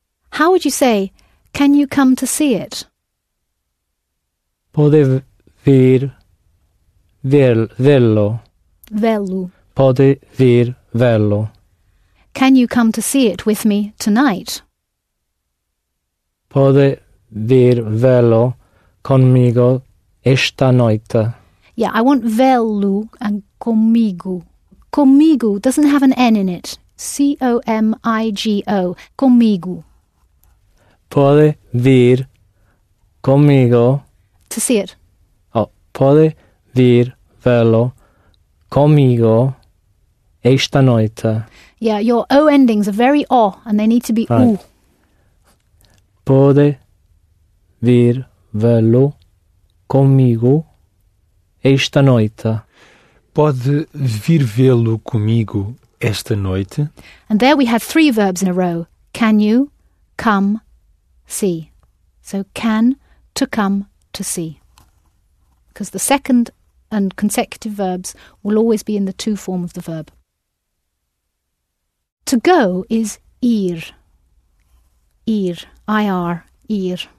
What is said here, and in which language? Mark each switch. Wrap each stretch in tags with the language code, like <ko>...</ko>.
<en>How would you say, can you come to see it?</en> <pt>Pode vir vê-lo. Vê-lo. Pode vir vê-lo.</pt> <en>Can you come to see it with me tonight?</en> <pt>Pode vir vê-lo comigo esta noite.</pt> <en>Yeah, I want vê-lo and comigo. Comigo doesn't have an N in it. C-O-M-I-G-O. Comigo.</en> <pt>Pode vir comigo.</pt> <en>To see it.</en> <pt>Oh, pode vir vê-lo comigo esta noite.</pt> <en>Yeah, your O endings are very O and they need to be right. U.</en> <pt>Pode vir vê-lo comigo esta noite. Pode vir vê-lo comigo esta noite.</pt> <en>And there we have three verbs in a row. Can you, come, see. So can, to come, to see. Because the second and consecutive verbs will always be in the to form of the verb. To go is ir. Ir, I-R, ir.</en>